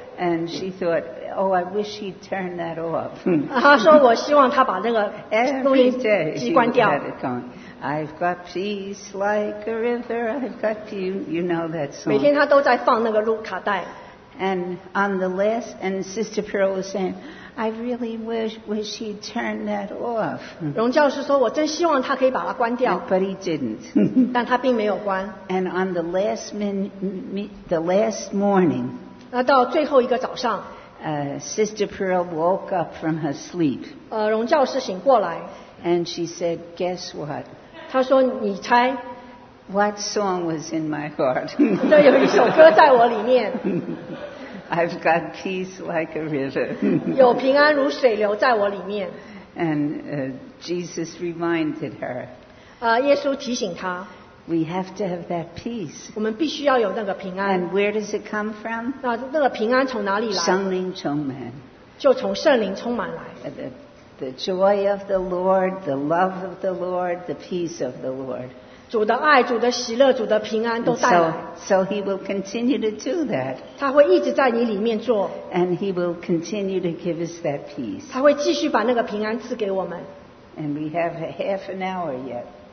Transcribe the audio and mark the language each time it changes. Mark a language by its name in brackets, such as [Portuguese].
[English] And she thought, oh, I wish he'd turn that off. [Chinese] 他说我希望他把那个录音机关掉。 [English] Every day he had it going. I've got peace like a river. I've got you. You know that song. [Chinese] 每天他都在放那个录卡带。 [English] And on the last, and Sister Pearl was saying, I really wish he'd turn that off. [Chinese] 荣教师说，我真希望他可以把它关掉。 [English] But he didn't. [Chinese] 但他并没有关。 [English] And on the last the last morning. [Chinese] 到最后一个早上。 [English] Sister Pearl woke up from her sleep. [Chinese] 荣教师醒过来。 [English] And she said, guess what? [Chinese] 他说你猜 [English] What song was in my heart? [Chinese] 这有一首歌在我里面 [English] I've got peace like a river. [Chinese] 有平安如水流在我里面 [English] And Jesus reminded her. [Chinese] 耶稣提醒他 [English] We have to have that peace. [Chinese] 我们必须要有那个平安 [English] And where does it come from? [Chinese] 那个平安从哪里来圣灵充满就从圣灵充满来 [English] The joy of the Lord, the love of the Lord, the peace of the Lord. [Chinese] 主的爱，主的喜乐，主的平安都带来。 [English] So he will continue to do that. [Chinese] 他会一直在你里面做。 [English] And he will continue to give us that peace. [Chinese] 他会继续把那个平安赐给我们。 [English] And we have a half an hour yet.